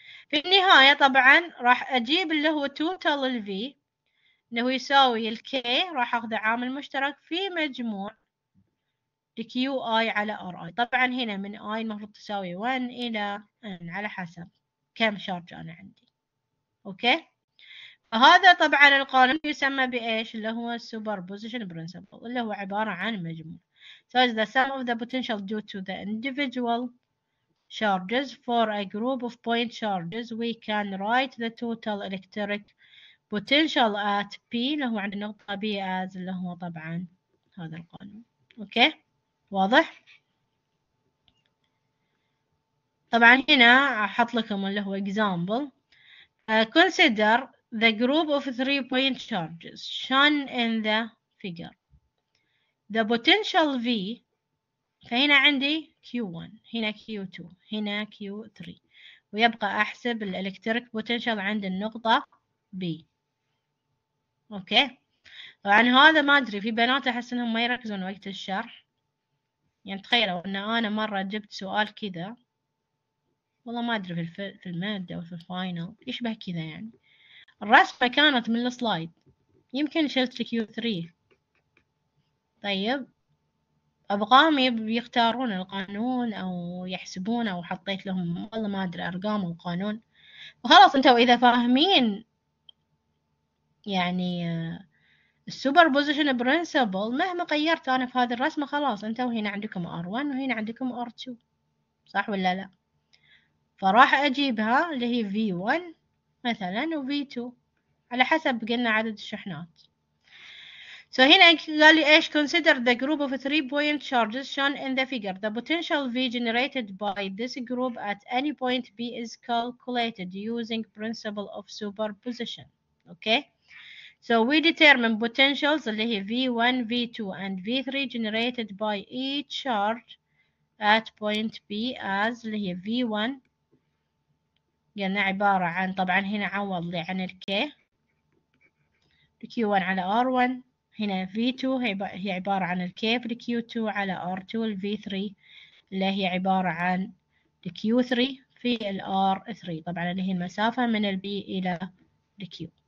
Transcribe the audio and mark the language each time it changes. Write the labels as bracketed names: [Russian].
[Arabic] في النهاية طبعا راح اجيب اللي هو توتال الفي اللي هو يساوي الكي، راح اخذ عامل مشترك في مجموع لكيو اي على ار اي. طبعا هنا من اي المفروض تساوي 1 الى ان على حسب كم شارج انا عندي. اوكي فهذا طبعا القانون يسمى بايش اللي هو السوبر بوزيشن برينسيبل اللي هو عبارة عن مجموع. [English] So it's the sum of the potential due to the individual charges for a group of point charges. We can write the total electric potential at P. [Arabic] اللي هو عند النقطة P as اللي هو طبعا هذا القانون. [English] Okay. [Arabic] واضح؟ طبعا هنا أحط لكم اللي هو example. [English] Consider the group of three point charges shown in the figure. the potential V، [Arabic] فهنا عندي Q1، هنا Q2، هنا Q3، ويبقى أحسب الإلكتريك بوتنشال عند النقطة B. أوكي، طبعاً هذا ما أدري، في بنات أحس إنهم ما يركزون وقت الشرح، يعني تخيلوا إن أنا مرة جبت سؤال كذا، والله ما أدري في المادة أو في الفاينل، يشبه كذا يعني، الرسمة كانت من السلايد، يمكن شلت Q3. طيب أبغاهم يختارون القانون أو يحسبون، أو حطيت لهم والله ما أدري أرقام القانون، وخلاص أنتوا إذا فاهمين يعني السوبر بوزيشن برينسيبل، مهما غيرت أنا في هذه الرسمة خلاص أنتوا هنا عندكم R1 وهنا عندكم R2، صح ولا لا؟ فراح أجيبها اللي هي V1 مثلا و V2 على حسب قلنا عدد الشحنات. [English] So [Arabic] هنا قال لي إيش، [English] consider the group of three point charges shown in the figure. The potential V generated by this group at any point B is calculated using principle of superposition. Okay. So we determine potentials [Arabic] اللي هي [English] V1, V2 and V3 generated by each charge at point B as اللي هي V1. [Arabic] قلنا عبارة عن، طبعا هنا عوض لي عن الـ K، Q1 على R1. هنا V2 هي عبارة عن الـ K في Q2 على R2، الـ V3 اللي هي عبارة عن الـ Q3 في الـ R3، طبعا اللي هي المسافة من الـ B إلى الـ Q.